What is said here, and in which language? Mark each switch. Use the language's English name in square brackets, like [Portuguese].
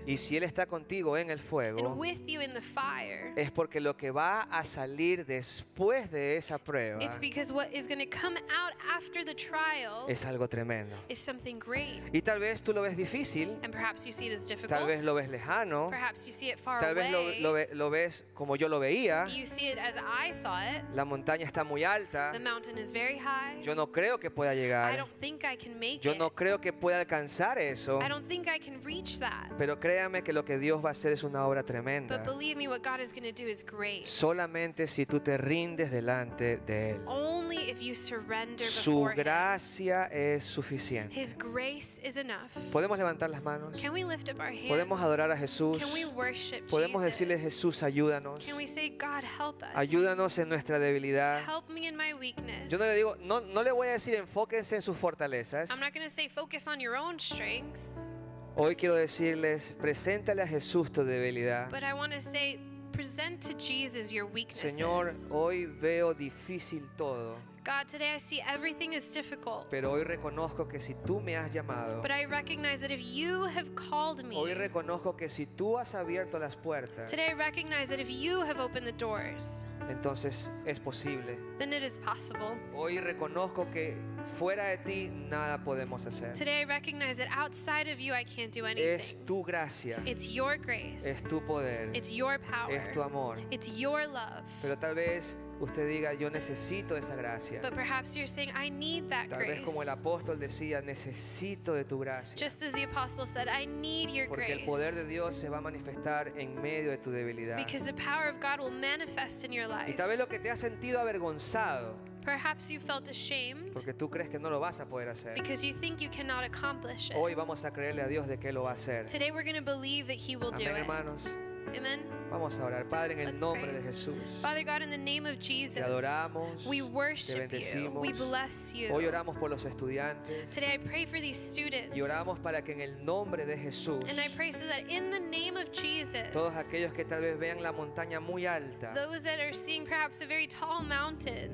[Spanish] y si él está contigo en el fuego, [English] and with you in the fire, [Spanish] es porque lo que va a salir después de esa prueba, [English] it's because what is going to come out after the trial, [Spanish] es algo tremendo, [English] is something great. [Spanish] Y tal vez tú lo ves difícil, [English] and perhaps you see it as difficult, [Spanish] tal vez lo ves lejano, [English] perhaps you see it far [Spanish] tal vez lo ves como yo lo veía, [English] you see it as I saw it, [Spanish] la montaña está muy alta, [English] the mountain is very high, [Spanish] yo no creo que pueda llegar. [English] I don't think I can make [Spanish] yo no [English] it. [Spanish] Creo que pueda alcanzar eso. [English] I don't think I can reach that. [Spanish] Pero créame que lo que Dios va a hacer es una obra tremenda. [English] But believe me, what God is going to do is great. [Spanish] Solamente si tú te rindes delante de Él. [English] Only if you surrender before [Spanish] Su gracia [English] him. [Spanish] Es suficiente. [English] His grace is enough. [Spanish] ¿Podemos levantar las manos? [English] Can we lift up our hands? [Spanish] ¿Podemos adorar a Jesús? [English] Can we worship Jesus? [Spanish] ¿Podemos decirle, Jesús, ayúdanos? [English] Can we say, God, help us? [Spanish] Ayúdanos en nuestra debilidad. [English] Help me in my weakness. [Spanish] Yo no le digo, no le voy a decir enfóquense en sus fortalezas. [English] I'm not going to say focus on your own strength. [Spanish] Hoy quiero decirles, preséntale a Jesús tu debilidad. [English] But I want to say present to Jesus your weaknesses. [Spanish] Señor, hoy veo difícil todo. [English] God, today I see everything is difficult. [Spanish] Pero hoy reconozco que si tú me has llamado, [English] but I recognize that if you have called me, [Spanish] hoy reconozco que si tú has abierto las puertas, [English] today I recognize that if you have opened the doors, [Spanish] entonces es posible. [English] Then it is possible. [Spanish] Hoy reconozco que fuera de ti nada podemos hacer. [English] Today I recognize that outside of you I can't do anything. [Spanish] Es tu gracia. [English] It's your grace. [Spanish] Es tu poder. [English] It's your power. [Spanish] Es Es tu amor. [English] It's your love. [Spanish] Pero tal vez usted diga, yo necesito esa gracia. [English] But perhaps you're saying, I need that [Spanish] tal [English] grace. [Spanish] Vez como el apóstol decía, necesito de tu gracia. [English] Just as the apostle said, I need your [Spanish] Porque [English] grace. [Spanish] El poder de Dios se va a manifestar en medio de tu debilidad. [English] Because the power of God will manifest in your life. [Spanish] Y tal vez lo que te ha sentido avergonzado. [English] Perhaps you felt ashamed. [Spanish] Porque tú crees que no lo vas a poder hacer. [English] Because you think you cannot accomplish it. [Spanish] Hoy vamos a creerle a Dios de que lo va a hacer. [English] Today we're going to believe that he will [Spanish] Amén, [English] do [Spanish] hermanos. [English] It. Amen. [Spanish] Vamos a orar, Padre, en el nombre de Jesús. [English] Father God, in the name of Jesus, [Spanish] te adoramos, [English] we worship [Spanish] te bendecimos. [English] You, we bless you. [Spanish] Hoy oramos por los estudiantes. [English] Today I pray for these students. [Spanish] Y oramos para que en el nombre de Jesús, [English] and I pray so that in the name of Jesus, [Spanish] todos aquellos que tal vez vean la montaña muy alta, [English] those that are seeing perhaps a very tall mountain,